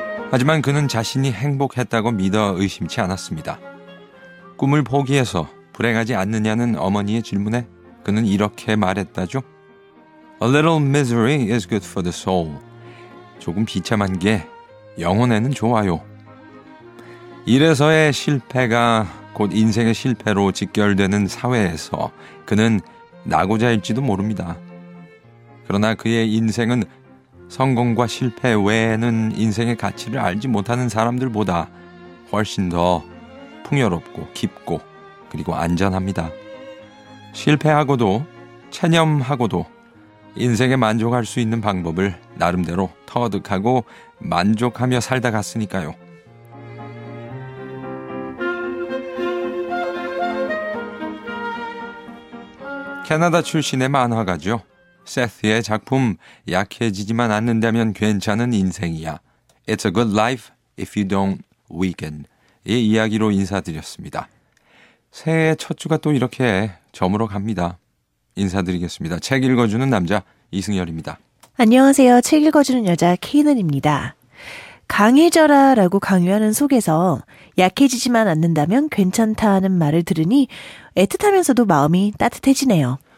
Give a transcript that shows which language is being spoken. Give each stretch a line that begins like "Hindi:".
Korean: 하지만 그는 자신이 행복했다고 믿어 의심치 않았습니다. 꿈을 포기해서 불행하지 않느냐는 어머니의 질문에 그는 이렇게 말했다죠.
English: A little misery is good for the soul.
Korean: 조금 비참한 게 영혼에는 좋아요. 이래서의 실패가 곧 인생의 실패로 직결되는 사회에서 그는 나고자일지도 모릅니다. 그러나 그의 인생은 성공과 실패 외에는 인생의 가치를 알지 못하는 사람들보다 훨씬 더 풍요롭고 깊고 그리고 안전합니다. 실패하고도 체념하고도 인생에 만족할 수 있는 방법을 나름대로 터득하고 만족하며 살다 갔으니까요. 캐나다 출신의 만화가죠. 세스의 작품 약해지지만 않는다면 괜찮은 인생이야.
English: It's a good life if you don't weaken.
Korean: 이 이야기로 인사드렸습니다. 새해 첫 주가 또 이렇게 저물어 갑니다. 인사드리겠습니다. 책 읽어주는 남자 이승열입니다. 안녕하세요. 책 읽어주는 여자 케이넌입니다. 강해져라 라고 강요하는 속에서 약해지지만 않는다면 괜찮다는 말을 들으니 애틋하면서도 마음이 따뜻해지네요.